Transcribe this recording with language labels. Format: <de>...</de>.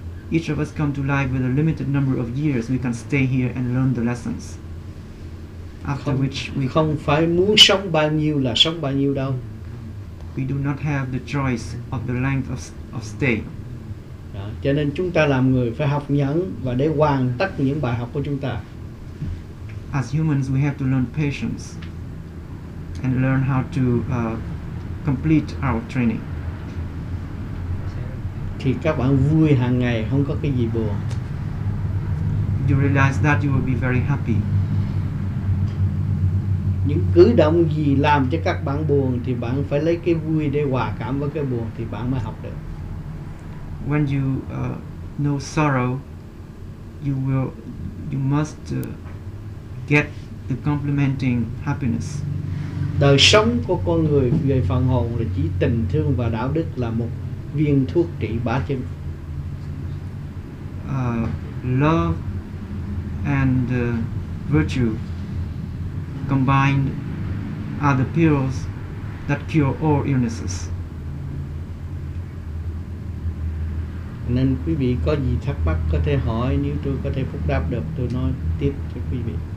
<en>Each of us come to life with a limited number of years. We can stay here and learn the lessons. After which we</en> <vi>không phải muốn sống bao nhiêu là sống bao nhiêu đâu.</vi> <en>We do not have the choice of the length of stay.</en> <vi>Cho nên chúng ta làm người phải học nhẫn và để hoàn tất những bài học của chúng ta.</vi> <en>As humans, we have to learn patience and learn how to complete our training.</en> <vi>Thì các bạn vui hàng ngày, không có cái gì buồn.</vi> <en>You realize that you will be very happy.</en> <vi>Những cử động gì làm cho các bạn buồn thì bạn phải lấy cái vui để hòa cảm với cái buồn thì bạn mới học được.</vi> <en>When you know sorrow, you must get the complementing happiness.</en> <vi>Đời sống của con người về phần hồn là chỉ tình thương và đạo đức là một viên thuốc trị bá chứng.</vi> <en>Love and virtue combined are the pills that cure all illnesses.</en> <vi>Nên quý vị có gì thắc mắc có thể hỏi, nếu tôi có thể phúc đáp được tôi nói tiếp cho quý vị.</vi>